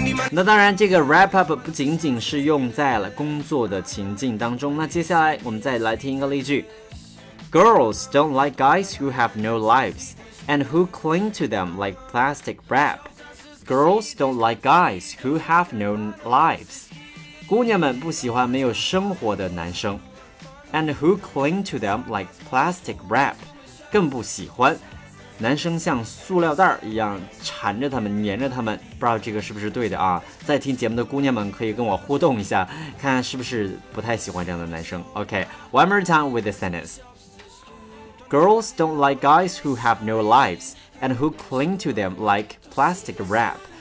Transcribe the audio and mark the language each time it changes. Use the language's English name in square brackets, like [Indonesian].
[Chinese] 那当然这个 wrap up 不仅仅是用在了工作的情境当中，那接下来我们再来听一个例句。 [English] Girls don't like guys who have no lives and who cling to them like plastic wrap. Girls don't like guys who have no lives. [Chinese] 姑娘们不喜欢没有生活的男生。 [English] And who cling to them like plastic wrap. [Chinese] 更不喜欢男生像塑料袋一样缠着他们、粘着他们。不知道这个是不是对的啊？在听节目的姑娘们可以跟我互动一下，看看是不是不太喜欢这样的男生。 [English] OK, one more time with the sentenceGirls don't like guys who have no lives and who cling to them like plastic wrap.